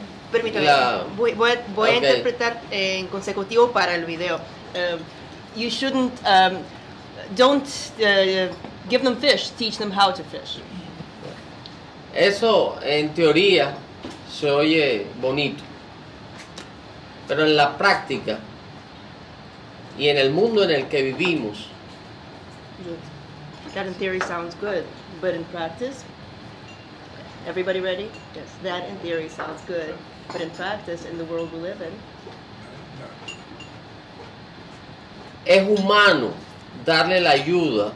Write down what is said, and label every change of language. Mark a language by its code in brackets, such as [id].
[es] Permítame, voy a interpretar en consecutivo para el video. [en] You shouldn't, don't give them fish, teach them how to fish. [es] Eso, en teoría, se oye bonito. Pero en la práctica, y en el mundo en el que vivimos, [en] that in theory sounds good, but in practice, everybody ready? Yes, that in theory sounds good, but in practice, in the world we live in. [es] Es humano darle la ayuda.